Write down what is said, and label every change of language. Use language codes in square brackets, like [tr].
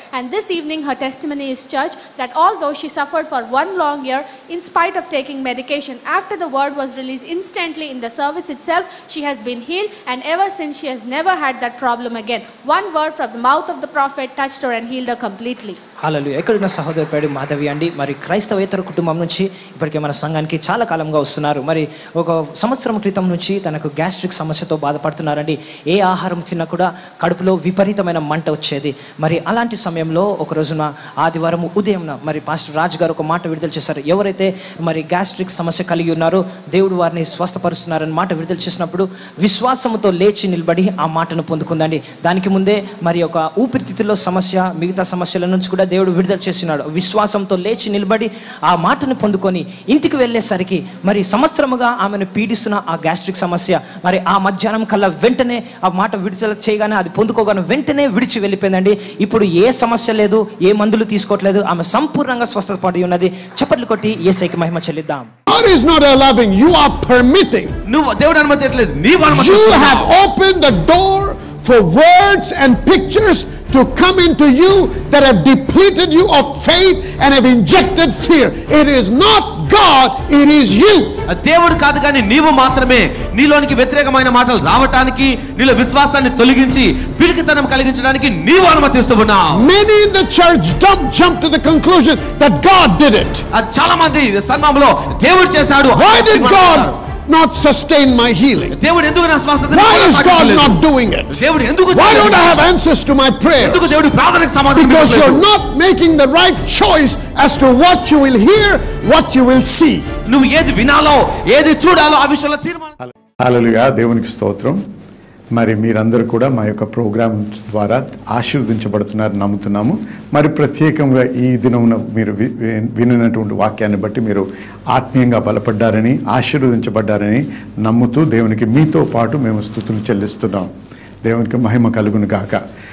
[en] And this evening her testimony is church that although she suffered for one long year in spite of taking medication, after the word was released instantly in the service itself, she has been healed. And ever since she has never had that problem again. One word from the mouth of the prophet touched her and healed her completely. [te] Hello, ఎక్కడున్న సహోదరు పేరు మాధవి అండి. మరి క్రైస్తవేతర కుటుంబం నుంచి ఇప్పటికే మన సంఘానికి చాలా కాలంగా వస్తున్నారు. మరి ఒక సంవత్సరం క్రితం నుంచి తనకు గ్యాస్ట్రిక్ సమస్యతో బాధపడుతున్నారండి. ఏ ఆహారం తిన్నా కూడా కడుపులో విపరీతమైన మంట వచ్చేది. మరి అలాంటి సమయంలో ఒక రోజున ఆదివారం ఉదయం మరి పాస్టర్ రాజ్ గారు ఒక మాట విడుదల చేశారు. ఎవరైతే మరి గ్యాస్ట్రిక్ సమస్య కలిగి ఉన్నారో దేవుడు వారిని స్వస్థపరుస్తున్నారని మాట విడుదల చేసినప్పుడు విశ్వాసంతో లేచి నిలబడి ఆ మాటను పొందుకుందండి. దానికి ముందే మరి ఒక ఊపిరితిత్తుల్లో సమస్య, మిగతా సమస్యల నుంచి కూడా దేవుడు విడుదల చేస్తున్నాడు. విశ్వాసంతో లేచి నిలబడి ఆ మాటను పొందుకొని ఇంటికి వెళ్ళేసరికి మరి సంవత్సరముగా ఆమెను పీడిస్తున్న ఆ గ్యాస్ట్రిక్ సమస్య మరి ఆ మధ్యాహ్నం కల్లా వెంటనే ఆ మాట విడుదల చేయగానే అది పొందుకోగానే వెంటనే విడిచి వెళ్ళిపోయిందండి. ఇప్పుడు ఏ సమస్య లేదు, ఏ మందులు తీసుకోవట్లేదు, ఆమె సంపూర్ణంగా స్వస్థత పడి ఉన్నది. చప్పట్లు కొట్టి యేసుకి మహిమ చెల్లిద్దాం. [en] God is not allowing, you are permitting. [te] నువ్వు దేవుడు అనుమతించలేదు, నీవు అనుమతించావు. [en] You have opened the door for words and pictures to come into you that have depleted you of faith and have injected fear. It is not God, it is you. [te] దేవుడు కాదు కానీ నీవు మాత్రమే. నీలోనికి వ్యతిరేకమైన మాటలు రావటానికి, నీలో విశ్వాసాన్ని తొలగించి పిరికితనం కలిగించడానికి నీవు అనుమతిస్తున్నావు. [en] Many in the church jump to the conclusion that God did it. [te] చాలా మంది సంఘంలో దేవుడు చేశాడు. [en] Why did God not sustain my healing? [te] దేవుడు ఎందుకు నా స్వస్థతను? [en] Why is God not doing it? [te] దేవుడు ఎందుకు? [en] Why don't I have answers to my prayers? [te] ఎందుకు దేవుడు ప్రార్థనకు సమాధానం ఇవ్వలేదు? [en] Because you're not making the right choice as to what you will hear, what you will see. [te] నువ్వు ఏది వినాలో, ఏది చూడాలో ఆ విషయంలో తీర్మానం. హల్లెలూయా, దేవునికి స్తోత్రం. మరి మీరందరూ కూడా మా యొక్క ప్రోగ్రామ్ ద్వారా ఆశీర్వదించబడుతున్నారు నమ్ముతున్నాము. మరి ప్రత్యేకంగా ఈ దినమున మీరు వినటువంటి వాక్యాన్ని బట్టి మీరు ఆత్మీయంగా బలపడ్డారని, ఆశీర్వదించబడ్డారని నమ్ముతూ దేవునికి మీతో పాటు మేము స్తుతులు చెల్లిస్తున్నాం. దేవునికి మహిమ కలుగును గాక.